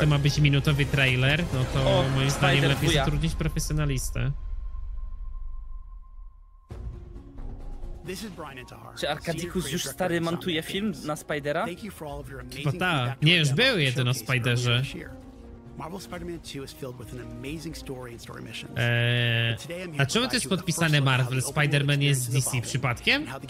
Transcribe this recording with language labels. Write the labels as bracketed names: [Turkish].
[Polish] To ma być minutowy trailer, no to moim zdaniem lepiej zatrudnić profesjonalistę. [English] This is Brian Intihar. [Polish] Czy Arkadikus już stary montuje film na Spidera? Chyba tak. Nie, już był jeden o Spiderze. [English] Marvel Spider-Man 2 is filled with an amazing story and story missions. [Polish] A czemu to jest podpisane Marvel? Spider-Man jest z DC przypadkiem?